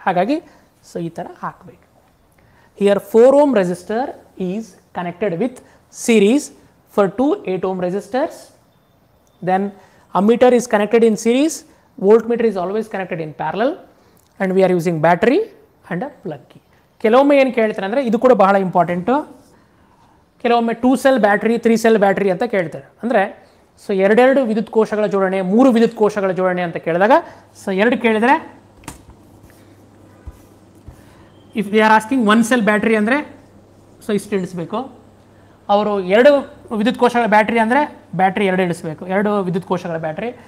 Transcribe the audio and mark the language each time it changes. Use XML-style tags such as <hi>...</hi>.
<kn>ಹಾಗಾಗಿ ಸೊ ಈ ಥರ ಹಾಕಬೇಕು.</kn> <en>Here 4 ohm resistor is connected with series for 2 8 ohm resistors then ammeter is connected in series, voltmeter is always connected in parallel, and we are using battery and a plug key.</en> <kn>ಕೆಲವೊಮ್ಮೆ ಏನು ಕೇಳ್ತಾರೆ ಅಂದರೆ ಇದು ಕೂಡ ಬಹಳ important, ಕೆಲವೊಮ್ಮೆ 2 cell battery, 3 cell battery ಅಂತ ಕೇಳ್ತಾರೆ. ಅಂದರೆ ಸೊ ಎರಡೆರಡು ವಿದ್ಯುತ್ ಕೋಶಗಳ ಜೋಡಣೆ, 3 ವಿದ್ಯುತ್ ಕೋಶಗಳ ಜೋಡಣೆ ಅಂತ ಕೇಳಿದಾಗ, ಸೊ ಎರಡು ಕೇಳಿದರೆ</kn> <en>if they are asking 1 cell battery</en> <kn>ಅಂದರೆ ಸೊ ಇಷ್ಟು ಇಳಿಸ್ಬೇಕು, ಅವರು 2 ವಿದ್ಯುತ್ ಕೋಶಗಳ ಬ್ಯಾಟ್ರಿ ಅಂದರೆ ಬ್ಯಾಟ್ರಿ 2 ಇಳಿಸ್ಬೇಕು, 2 ವಿದ್ಯುತ್ ಕೋಶಗಳ ಬ್ಯಾಟ್ರಿ.</kn>